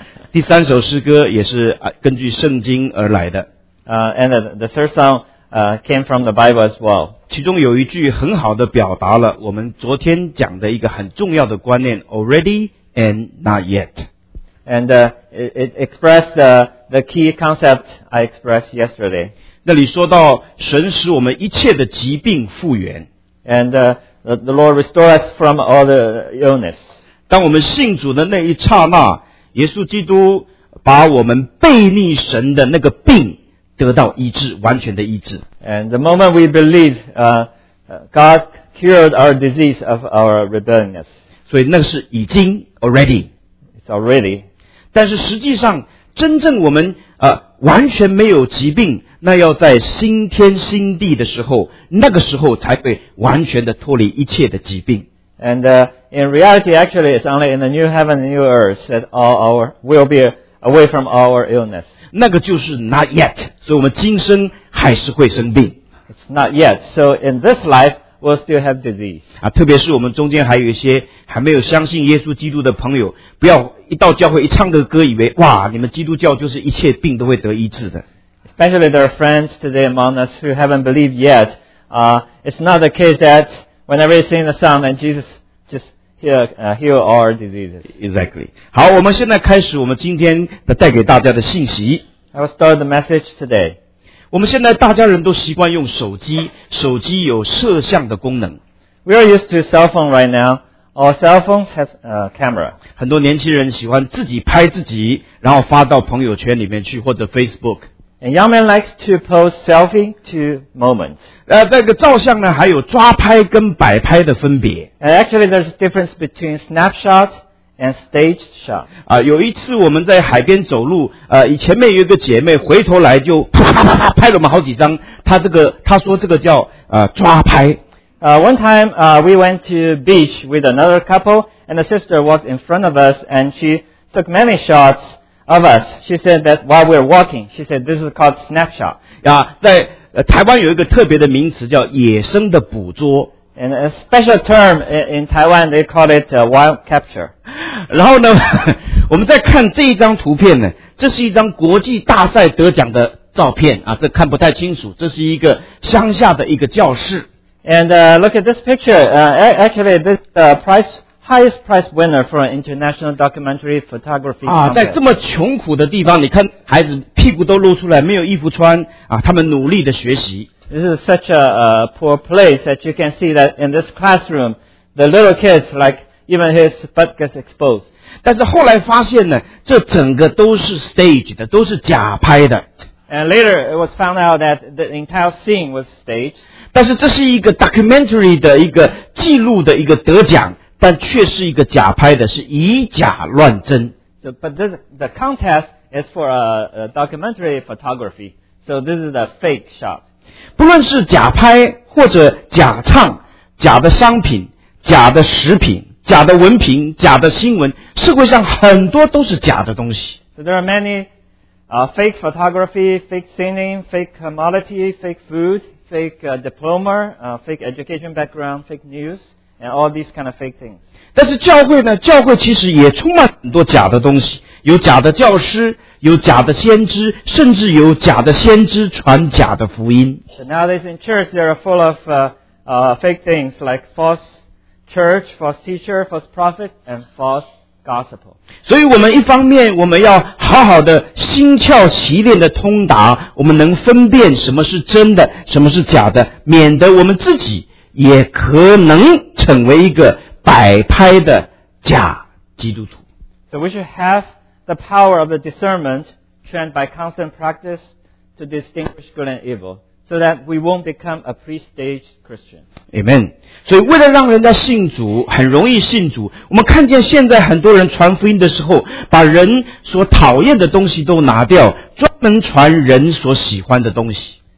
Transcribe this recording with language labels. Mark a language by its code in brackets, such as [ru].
[zh] 第三首诗歌也是根据圣经而来的。 [en] And the third song came from the Bible as well. [zh] 其中有一句很好的表达了我们昨天讲的一个很重要的观念 , [en] already and not yet. And it expressed the key concept I expressed yesterday. [zh] 那里说到神使我们一切的疾病复原。 [en] And the Lord restore us from all the illness. [zh] 当我们信主的那一刹那，耶稣基督把我们悖逆神的那个病得到医治，完全的医治。 [en] And the moment we believe, God cured our disease of our rebelliousness. [zh] 所以那是已经 [en] already. It's already. [zh] 但是实际上，真正我们完全没有疾病，那要在新天新地的时候，那个时候才会完全的脱离一切的疾病。 [en] And in reality, actually, it's only in the new heaven and new earth that all our will be away from our illness. [zh] 那个就是 [en] not yet, [zh] 所以我们今生还是会生病。 [en] It's not yet, so in this life, we'll still have disease. [zh] 啊，特别是我们中间还有一些还没有相信耶稣基督的朋友，不要一到教会一唱个歌，以为哇，你们基督教就是一切病都会得医治的。 [en] Especially there are friends today among us who haven't believed yet. It's not the case that whenever you sing the song, then Jesus just heal our diseases. Exactly. [zh] 好，我们现在开始我们今天的带给大家的信息。 [en] I will start the message today. [zh] 我们现在大家人都习惯用手机，手机有摄像的功能。 [en] We are used to cell phone right now. Our cell phones have a camera. [zh] 很多年轻人喜欢自己拍自己，然后发到朋友圈里面去，或者 Facebook。 [en] And young men likes to post selfie to moments. [zh] 这个照相呢，还有抓拍跟摆拍的分别。 [en] And actually, there's a difference between snapshot and stage shot. [zh] 有一次我们在海边走路，前面有一个姐妹回头来就啪啪啪啪拍了我们好几张。她说这个叫抓拍。 [en] One time, we went to beach with another couple, and the sister walked in front of us, and she took many shots. Of us, she said that while we're walking, she said this is called snapshot. [zh] 在台湾有一个特别的名词叫野生的捕捉。 [en] And a special term in Taiwan, they call it wild capture. [zh] 然后呢，我们再看这一张图片呢，这是一张国际大赛得奖的照片啊，这看不太清楚，这是一个乡下的一个教室。 [en] And look at this picture. Actually, this highest prize winner for an international documentary photography contest. [zh] 在这么穷苦的地方，你看孩子屁股都露出来，没有衣服穿啊，他们努力的学习。 [en] This is such a poor place that you can see that in this classroom, the little kids like even his butt gets exposed. [zh] 但是后来发现呢，这整个都是 stage 的，都是假拍的。 [en] And later it was found out that the entire scene was staged. [zh] 但是这是一个 documentary 的一个记录的一个得奖，但却是一个假拍的，是以假乱真。 [en] So, but this, the contest is for a documentary photography. So this is a fake shot. [zh] 不论是假拍或者假唱，假的商品，假的食品，假的文凭，假的新闻，社会上很多都是假的东西。 [en] So there are many fake photography, fake singing, fake commodity, fake food, fake diploma, fake education background, fake news, and all these kind of fake things. [zh] 但是教会呢，教会其实也充满很多假的东西，有假的教师，有假的先知，甚至有假的先知传假的福音。 [en] So nowadays in church, they are full of fake things like false church, false teacher, false prophet, and false gospel. [zh] 所以我们一方面我们要好好的心窍习练的通达，我们能分辨什么是真的，什么是假的，免得我们自己也可能成为一个摆拍的假基督徒。 [en] So we should have the power of the discernment trained by constant practice to distinguish good and evil, so that we won't become a pre-staged Christian. Amen. [zh] 所以为了让人家信主，很容易信主，我们看见现在很多人传福音的时候，把人所讨厌的东西都拿掉，专门传人所喜欢的东西。